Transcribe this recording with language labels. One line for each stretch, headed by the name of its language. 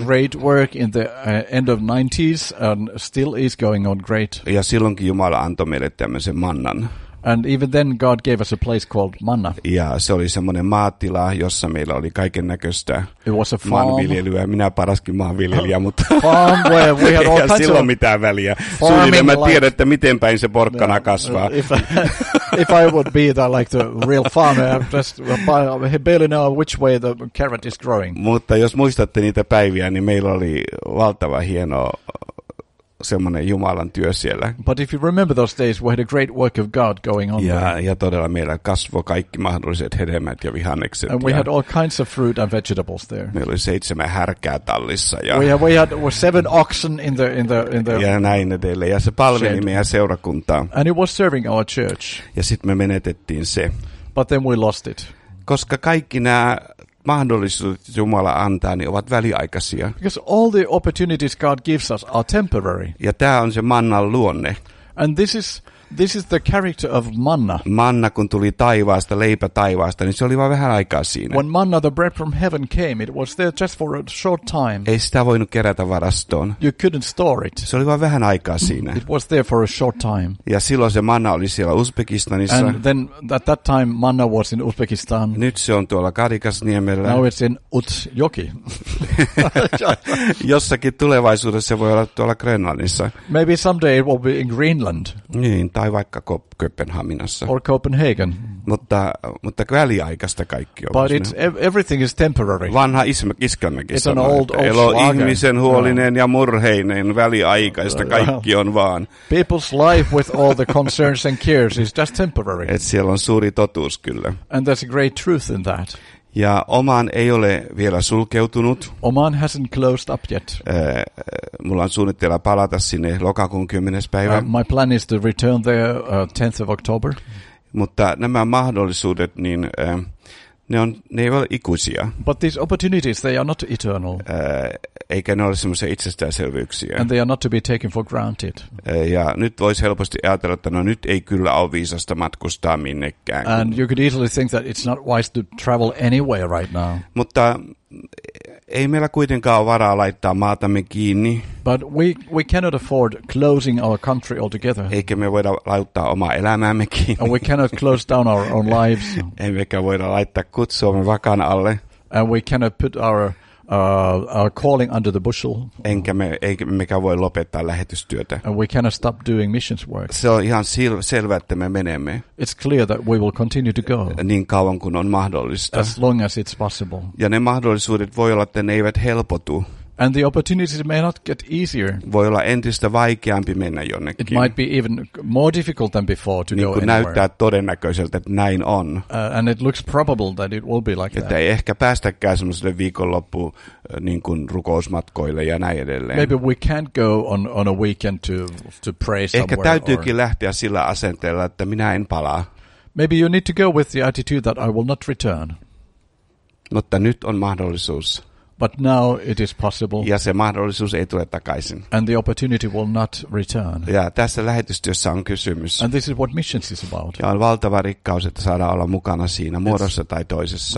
English: Great work in the end of 90s and still is going on great.
Finnish: Ja silloinkin Jumala antoi meille tämmöisen Mannan.
English: And even then God gave us a place called Manna.
Finnish: Ja se oli semmoinen maatila, jossa meillä oli kaiken näköistä.
English: It was a farm.
Finnish: Maanviljelyä. Minä paraskin maanviljelijä, mutta
English: farm where we had all kinds of
Finnish: mitään väliä. Suunnilleen mä tiedän, että miten päin se porkkana kasvaa.
English: If I would be that like the real farmer, I'm just barely know which way the carrot is growing.
Finnish: Mutta jos muistatte niitä päiviä, niin meillä oli valtava hieno semmoinen Jumalan työ siellä.
English: But if you remember those days, we had a great work of God going on.
Finnish: Ja todella meillä kasvoi kaikki mahdolliset hedelmät ja vihannekset.
English: And we had all kinds of fruit and vegetables there.
Finnish: Meillä oli 7 härkää tallissa. Ja
English: we had 7 oxen in the
Finnish: ja näin edelleen. Ja se palveli meidän seurakuntaa.
English: And it was serving our church.
Finnish: Ja sitten me menetettiin se.
English: But then we lost it.
Finnish: Koska kaikki nämä mahdollisuudet Jumala antaa, niin ovat väliaikaisia.
English: Because all the opportunities God gives us are temporary.
Finnish: Ja tämä on se Mannan luonne.
English: And this is This is the character of manna.
Finnish: Manna kun tuli taivaasta, leipä taivaasta, niin se oli vaan vähän aikaa siinä.
English: When manna, the bread from heaven came, it was there just for a short time.
Finnish: Ei sitä voinut kerätä varastoon.
English: You couldn't store it.
Finnish: Se oli vaan vähän aikaa siinä.
English: It was there for a short time.
Finnish: Ja silloin se manna oli siellä Uzbekistanissa.
English: And then at that time manna was in Uzbekistan.
Finnish: Nyt se on tuolla Karikasniemellä.
English: Now it's in Utsjoki.
Finnish: Jossakin tulevaisuudessa voi olla tuolla Grönlannissa.
English: Maybe someday it will be in Greenland.
Finnish: Niin, tai vaikka Kööpenhaminassa.
English: Or Copenhagen.
Finnish: Mutta väliaikaista kaikki on.
English: But it's, everything is temporary.
Finnish: Vanha iskelmäkin sanoo, että elo ihmisen huolinen ja murheinen, väliaikaista kaikki on vaan.
English: People's life with all the concerns and cares is just temporary.
Finnish: Et siellä on suuri totuus kyllä.
English: And there's a great truth in that.
Finnish: Ja Oman ei ole vielä sulkeutunut.
English: Oman hasn't closed up yet.
Finnish: Mulla on suunnitteilla palata sinne lokakuun 10. päivä.
English: My plan is to return there 10th of October.
Finnish: Mutta nämä mahdollisuudet, niin ne eivät ole ikuisia.
English: But these opportunities, they are not eternal.
Finnish: Eikä ne ole semmoisia itsestäänselvyyksiä.
English: And they are not to be taken for granted.
Finnish: Ja nyt voisi helposti ajatella, että no nyt ei kyllä ole viisasta matkustaa minnekään.
English: And you could easily think that it's not wise to travel anywhere right now.
Finnish: Mutta ei meillä kuitenkaan ole varaa laittaa maatamme kiinni.
English: But we cannot afford closing our country altogether.
Finnish: Eikä me voida laittaa omaa elämäämme kiinni.
English: And we cannot close down our own lives.
Finnish: Emmekä voida laittaa kutsuamme vakan alle.
English: And we cannot put our calling under the bushel.
Finnish: Emmekä voi lopettaa lähetystyötä.
English: And we cannot stop doing missions work.
Finnish: Se on ihan selvä, että me menemme.
English: It's clear that we will continue to go.
Finnish: Niin kauan kuin on mahdollista.
English: As long as it's possible.
Finnish: Ja ne mahdollisuudet voi olla, että ne eivät helpotu.
English: And the opportunities may not get easier.
Finnish: Voi olla entistä vaikeampi mennä jonnekin.
English: It might be even more difficult than before to
Finnish: niin
English: go anywhere.
Finnish: Näyttää todennäköiseltä, että näin on.
English: And it looks probable that it will be like
Finnish: että
English: that.
Finnish: Ei ehkä päästäkään semmoiselle viikonloppu niin kuin rukousmatkoille ja näin edelleen.
English: Maybe we can't go on a weekend to pray somewhere.
Finnish: Ehkä täytyykin lähteä sillä asenteella, että minä en palaa.
English: Maybe you need to go with the attitude that I will not return.
Finnish: Mutta nyt on mahdollisuus.
English: But now it is possible.
Finnish: Ja se mahdollisuus ei tule takaisin.
English: And the opportunity will not return.
Finnish: Ja tässä lähetystyössä on kysymys.
English: And this is what missions is about.
Finnish: Ja on valtava rikkaus, että saadaan olla mukana siinä muodossa tai toisessa.